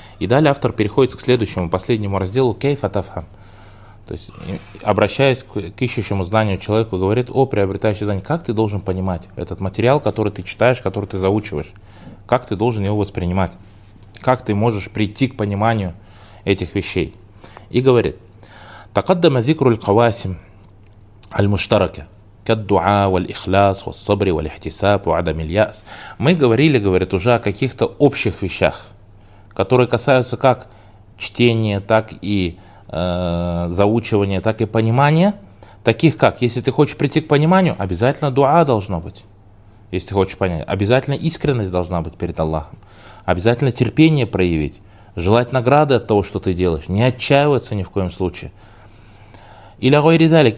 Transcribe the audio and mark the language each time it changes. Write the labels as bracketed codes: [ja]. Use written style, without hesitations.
[ru] И далее автор переходит к следующему, последнему разделу «Кейфа тафхам». То есть, обращаясь к ищущему знанию человеку, говорит о приобретающей знания, как ты должен понимать этот материал, который ты читаешь, который ты заучиваешь, как ты должен его воспринимать. Как ты можешь прийти к пониманию этих вещей? И говорит: [ar] تقدم ذكر القواسم المشتركة كالدعاء والإخلاص والصبر والاحتساب وعدم اليأس. [ru] Мы говорили, говорит, уже о каких-то общих вещах, которые касаются как чтения, так и заучивания, так и понимания. Таких как, если ты хочешь прийти к пониманию, обязательно дуа должно быть, если ты хочешь понять. Обязательно искренность должна быть перед Аллахом. Обязательно терпение проявить, желать награды от того, что ты делаешь, не отчаиваться ни в коем случае. [ar] Иля гойри залик.